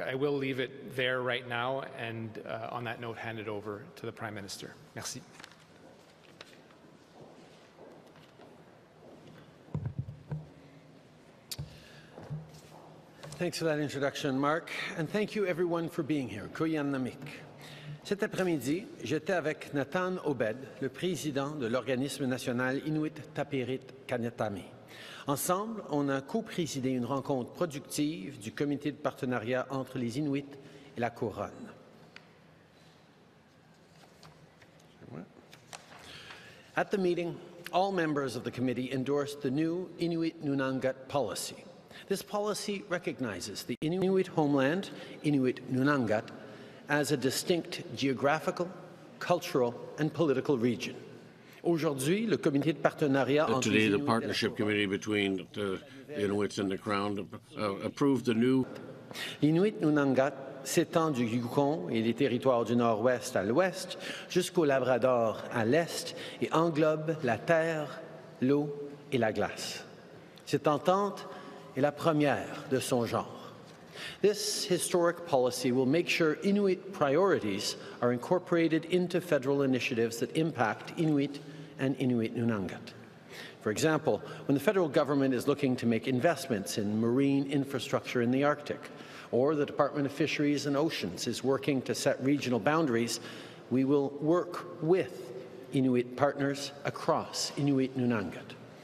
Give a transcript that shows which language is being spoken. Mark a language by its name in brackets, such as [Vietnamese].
[English] I will leave it there right now, and on that note, hand it over to the Prime Minister. [French] Merci. [English] Thanks for that introduction, Marc, and thank you everyone for being here. [Inuktitut] Kuyanamik. [French] Cet après-midi, j'étais avec Natan Obed, le président de l'organisme national Inuit Tapiriit Kanatami. Ensemble, on a co-présidé une rencontre productive du comité de partenariat entre les Inuits et la Couronne. [English] At the meeting, all members of the committee endorsed the new Inuit Nunangat policy. This policy recognizes the Inuit homeland, Inuit Nunangat, as a distinct geographical, cultural, and political region. [French] Aujourd'hui, le comité de partenariat entre [English] today, the partnership committee between the Inuits and the Crown approved the new. [French] Inuit Nunangat s'étend du Yukon et des territoires du Nord-Ouest à l'Ouest jusqu'au Labrador à l'Est et englobe la terre, l'eau et la glace. Cette entente est la première de son genre. [English] This historic policy will make sure Inuit priorities are incorporated into federal initiatives that impact Inuit and Inuit Nunangat. For example, when the federal government is looking to make investments in marine infrastructure in the Arctic, or the Department of Fisheries and Oceans is working to set regional boundaries, we will work with Inuit partners across Inuit Nunangat.